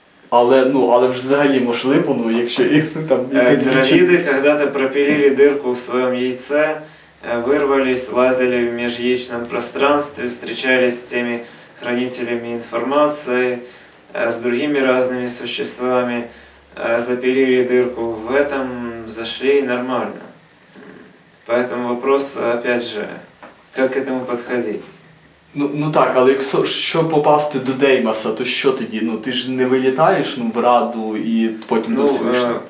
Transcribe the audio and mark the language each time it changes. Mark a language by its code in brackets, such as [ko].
[uk] Але вже взагалі можливо, ну, якщо їх там... [ru] Дравіди когда-то пропилили дырку в своем яйце, вырвались, лазили в межяичном пространстве, встречались с теми хранителями информации, с другими разными существами, запилили дырку в этом, зашли и нормально. Поэтому вопрос, опять же, как к этому подходить? [uk] Ну так, але якщо що попасти до Деймоса, то що тоді? Ну ти ж не вилітаєш в Раду і потім до Всевишнього?